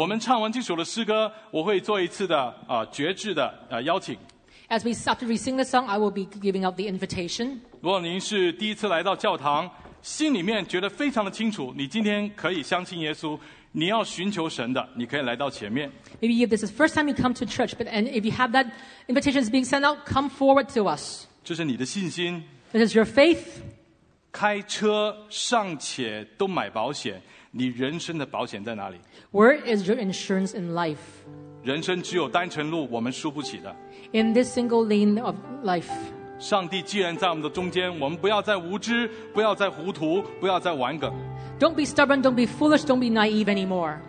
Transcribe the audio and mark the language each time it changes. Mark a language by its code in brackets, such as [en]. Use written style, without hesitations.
[zh] 我们唱完这首的诗歌，我会做一次的决志的邀请。 [en] As we start to sing the song, I will be giving out the invitation. [zh] 如果您是第一次来到教堂，心里面觉得非常的清楚，你今天可以相信耶稣。你要寻求神的，你可以来到前面。 [en] Maybe if this is the first time you come to church, but and if you have that invitation is being sent out, come forward to us. [zh] 这是你的信心。 [en] This is your faith. [zh] 开车尚且都买保险，你人生的保险在哪里 [en] ？Where is your insurance in life? [zh] 人生只有单程路，我们输不起的。 [en] In this single lane of life. [zh] 上帝既然在我们的中间，我们不要再无知，不要再糊涂，不要再玩梗。 [en] Don't be stubborn, don't be foolish, don't be naive anymore.